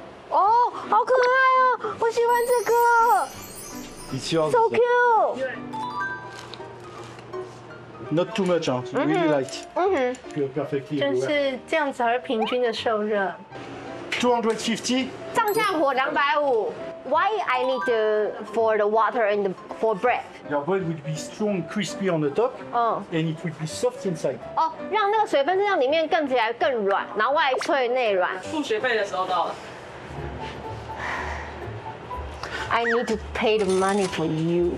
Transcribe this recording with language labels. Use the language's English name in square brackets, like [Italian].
[Chinese] Oh, 好可爱哦！我喜欢这个。 [English] It's yours. So cute. Not too much, huh? Really light. Mm-hmm. Feel perfectly. [Chinese] 就是这样子才会平均的受热。 250。上下火250。 [English] Why I need the for the water and the, for bread? Your bread would be strong, crispy on the top, and it would be soft inside. [Chinese] 哦，让那个水分是让里面更起来更软，然后外脆内软。付学费的时候到了。 [English] I need to pay the money for you.